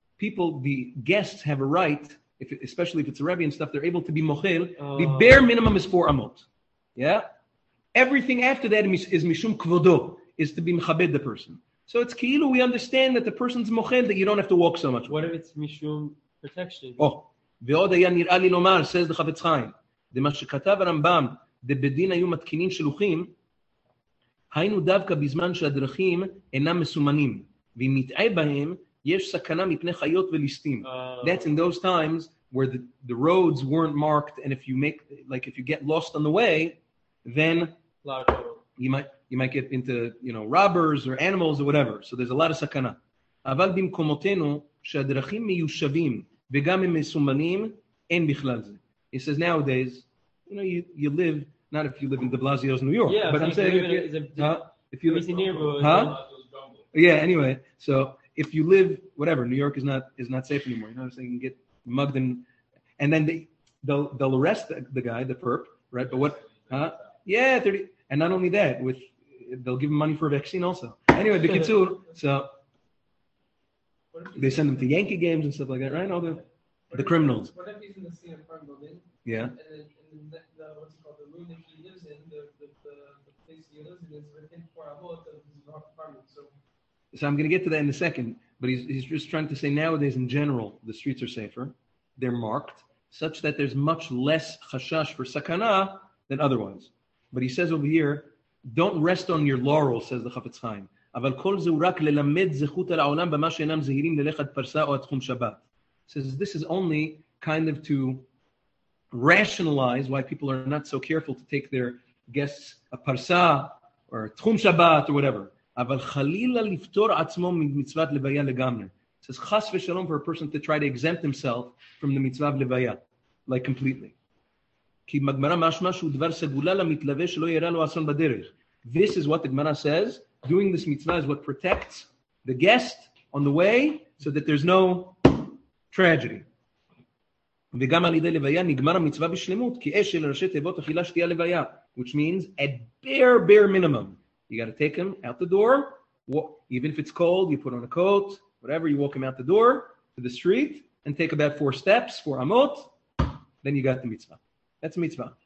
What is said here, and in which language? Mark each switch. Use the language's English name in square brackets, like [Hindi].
[English] People, the guests have a right, especially if it's a rebbe and stuff, they're able to be mochel. The bare minimum is 4 amot. Yeah, everything after that is mishum kvodo, is to be mechabed the person. So it's keilu we understand that the person's mochel, that you don't have to walk so much. What if it's mishum protection? Oh. [Hebrew] ועוד היה נראה לי לומר, [English] says the Chafetz Chaim, [Hebrew] דמה שכתב הרמב״ם, דבדין היו מתקינים שלוחים, היינו דווקא בזמן שהדרכים אינם מסומנים, ואם מתאה בהם, יש סכנה מפני חיות וליסטים. [English] That's in those times where the roads weren't marked, and if you make, like if you get lost on the way, then you might get into, you know, robbers or animals or whatever. So there's a lot of סכנה. [Hebrew] אבל במקומותינו, שהדרכים מיושבים, וגם אם מסומנים, אין בכלל זה. [English] He says, nowadays, you know, you live, not if you live in de Blasio's New York, yeah, but I'm saying, if you live in the neighborhood, Yeah, anyway, so if you live, whatever, New York is not safe anymore, you know what I'm saying, you get mugged, and then they'll arrest the guy, the perp, right, but what, yeah, 30, and not only that, they'll give him money for a vaccine also. Anyway, the kitzur, so, they send them to Yankee games and stuff like that, right? All the criminals. What if he's in the same apartment building? Yeah. And in the, what's called the room that he lives in, the place he lives in is within 4 hours of his apartment. So I'm going to get to that in a second. But he's just trying to say nowadays, in general, the streets are safer. They're marked such that there's much less chashash for sakana than otherwise. But he says over here, don't rest on your laurels, says the Chafetz Chaim. [Hebrew] אבל כל זה הוא רק ללמד זכות על העולם במה שאינם זהירים ללכת פרסה או התחום שבת. [English] Says this is only kind of to rationalize why people are not so careful to take their guests a parsa or תחום שבת or whatever. [Hebrew] אבל חלילה לפתור עצמו ממצוות לוויה לגמרי. [English] Says חס ושלום for a person to try to exempt himself from the מצווה לוויה, like completely. [Hebrew] כי מגמרה משמע שהוא דבר סגולה למתלווה שלא יראה לו אסון בדרך. [English] This is what the Gemara says. Doing this mitzvah is what protects the guest on the way so that there's no tragedy. [Hebrew] וגם על ידי לוויה נגמר המצווה בשלמות כי אש אל ראשי תיבות אכילה שתייה לוויה, [English] which means at bare minimum, you got to take him out the door, even if it's cold, you put on a coat, whatever, you walk him out the door to the street and take about 4 steps, 4 amot, then you got the mitzvah. That's a mitzvah.